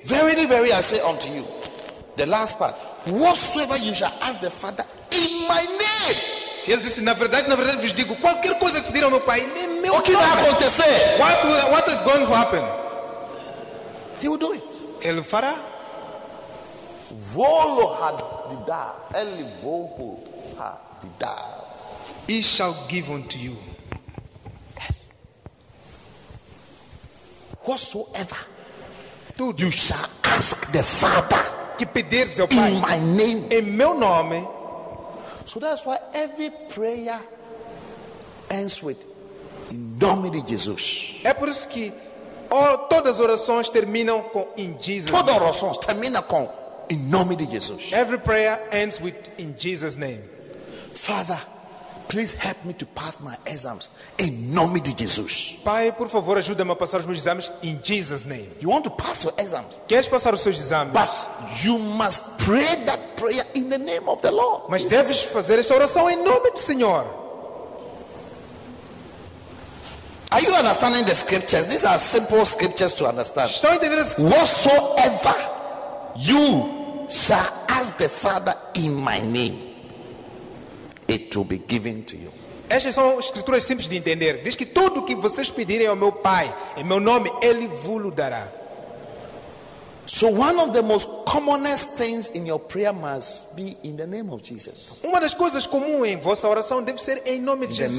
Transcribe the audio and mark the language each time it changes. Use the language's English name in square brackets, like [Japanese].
[English] verily, verily, I say unto you, the last part, whatsoever you shall ask the Father in my name. [Portuguese] Ele disse, na verdade vos digo, qualquer coisa que pedir ao meu Pai, nem meu o que nome, vai acontecer? [English] What is going to happen? He will do it. [Portuguese] Ele fará. Volo hadida. Ele volo hadida. [English] He shall give unto you. Yes. Whatsoever. [Portuguese] Tudo. [English] You shall ask the Father. [Portuguese] Que pedir ao Pai. [English] In my name. [Portuguese] Em meu nome. [English] So that's why every prayer ends with [Portuguese] in nome de Jesus. É por isso que todas as orações terminam com in Jesus. Todas as orações terminam com in nome de Jesus. [English] Every prayer ends with in Jesus name. Father, please help me to pass my exams [Portuguese] in nome de Jesus. Pai, por favor, ajuda-me a passar os meus exames [English] in Jesus name. You want to pass your exams? [Portuguese] Queres passar os seus exames? [English] But you must pray that prayer in the name of the Lord. [Portuguese] Mas deves fazer esta oração em nome do Senhor. [English] Are you understanding the scriptures? These are simple scriptures to understand. [Portuguese] Estão entendendo as escrituras? [English] Whatsoever you shall ask the Father in my name, it will be given to you. [Portuguese] Estas são escrituras simples de entender. Diz que tudo o que vocês pedirem ao meu Pai em meu nome, Ele vo-lo dará. [English] So one of the most commonest things in your prayer must be in the name of Jesus. [Portuguese] Uma das coisas comuns em vossa oração deve ser em nome de Jesus.